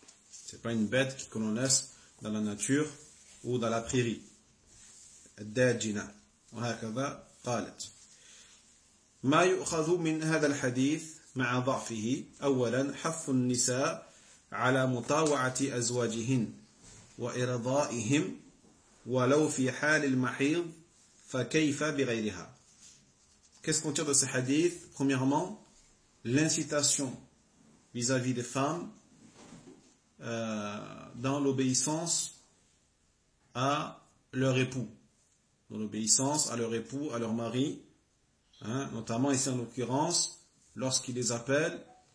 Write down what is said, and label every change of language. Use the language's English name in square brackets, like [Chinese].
[French] C'est pas une bête que l'on laisse dans la nature ou dans la prairie. [Arabic] الداجنة وهكذا قالت ما يؤخذ من هذا الحديث مع ضعفه أولا حث النساء على مطاوعة أزواجهن وإرضائهم ولو في حال المحيض فكيف بغيرها. [French] Qu'est-ce qu'on tire de ce hadith? Premièrement, l'incitation vis-à-vis des femmes dans l'obéissance à leur époux, dans l'obéissance à leur époux, à leur mari, hein, notamment ici en l'occurrence, lorsqu'il les appelle,